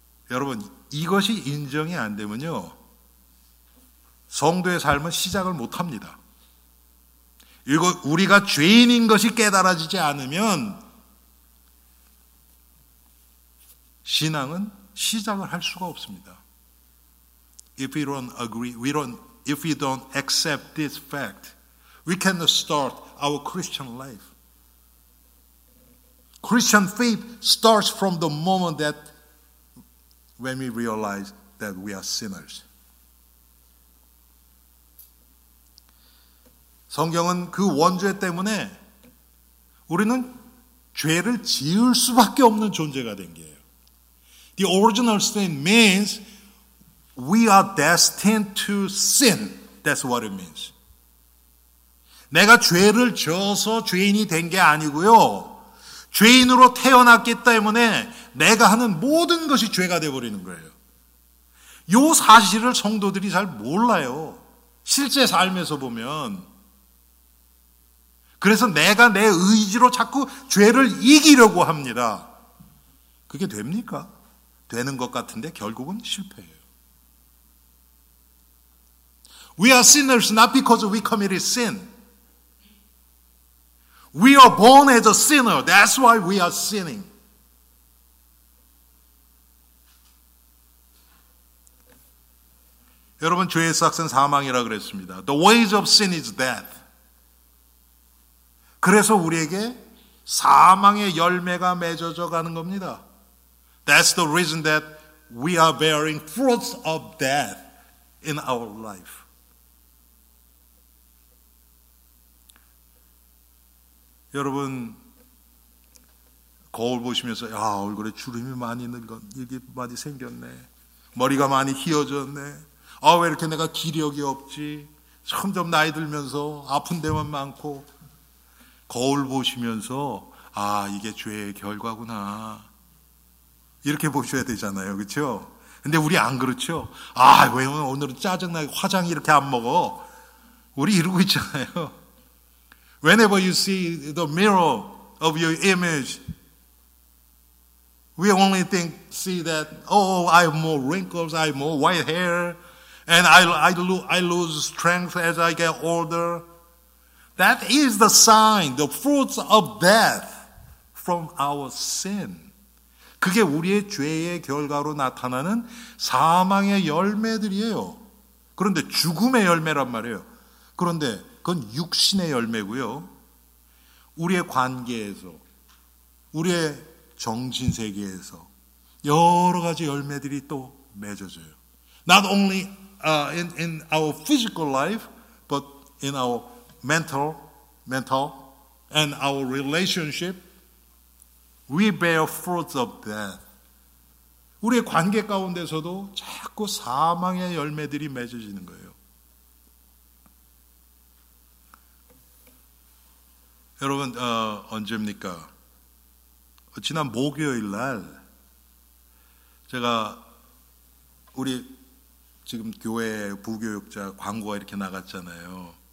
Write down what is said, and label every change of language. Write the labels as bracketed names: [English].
[Korean] 여러분, 이것이 인정이 안 되면요, 성도의 삶은 시작을 못 합니다. 이거 우리가 죄인인 것이 깨달아지지 않으면 신앙은 시작을 할 수가 없습니다. [English] If we don't agree, if we don't accept this fact, we cannot start our Christian life. Christian faith starts from the moment that when we realize that we are sinners. [Korean] 성경은 그 원죄 때문에 우리는 죄를 지을 수밖에 없는 존재가 된 게예요. [English] The original sin means we are destined to sin. That's what it means. [Korean] 내가 죄를 지어서 죄인이 된 게 아니고요. 죄인으로 태어났기 때문에 내가 하는 모든 것이 죄가 되어버리는 거예요. 이 사실을 성도들이 잘 몰라요. 실제 삶에서 보면. 그래서 내가 내 의지로 자꾸 죄를 이기려고 합니다. 그게 됩니까? 되는 것 같은데 결국은 실패해요. [English] We are sinners not because we committed sin. We are born as a sinner. That's why we are sinning. [Korean] 여러분, 죄의 싹은 사망이라 그랬습니다. [English] The wage of sin is death. [Korean] 그래서 우리에게 사망의 열매가 맺어져 가는 겁니다. [English] That's the reason that we are bearing fruits of death in our life. [Korean] 여러분, 거울 보시면서 야, 얼굴에 주름이 많이 생겼네. 머리가 많이 휘어졌네. 아, 왜 이렇게 내가 기력이 없지? 점점 나이 들면서 아픈 데만 많고 거울 보시면서 아, 이게 죄의 결과구나. 이렇게 보셔야 되잖아요. 그렇죠? 근데 우리 안 그렇죠? 아, 왜 오늘은 짜증나게 화장 이렇게 안 먹어? 우리 이러고 있잖아요. [English] Whenever you see the mirror of your image, we only think, see that, oh, I have more wrinkles, I have more white hair, and I lose strength as I get older. That is the sign, the fruits of death from our sin. [Korean] 그게 우리의 죄의 결과로 나타나는 사망의 열매들이에요. 그런데 죽음의 열매란 말이에요. 그런데 그건 육신의 열매고요. 우리의 관계에서, 우리의 정신세계에서 여러 가지 열매들이 또 맺어져요. [English] Not only in our physical life, but in our mental and our relationship, we bear fruits of death. [Korean] 우리의 관계 가운데서도 자꾸 사망의 열매들이 맺어지는 거예요. 여러분, 언제입니까? 지난 목요일 날 제가 우리 지금 교회 부교육자 광고가 이렇게 나갔잖아요.